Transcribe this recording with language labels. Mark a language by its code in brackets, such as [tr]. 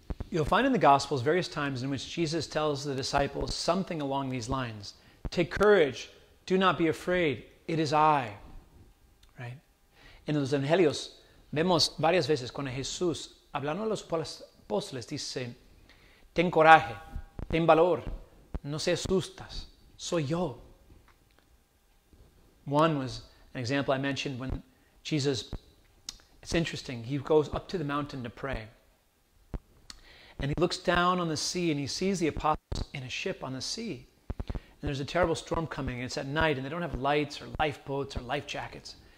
[en] You'll find in the Gospels various times in which Jesus tells the disciples something along these lines. Take courage, do not be afraid, it is I. Right? [es] En los Evangelios vemos varias veces cuando Jesús, hablando a los apóstoles, dice, ten coraje, ten valor, no se asustas, soy yo. [en] One was an example I mentioned when Jesus, it's interesting, he goes up to the mountain to pray. And he looks down on the sea and he sees the apostles in a ship on the sea. And there's a terrible storm coming. It's at night and they don't have lights or lifeboats or life jackets.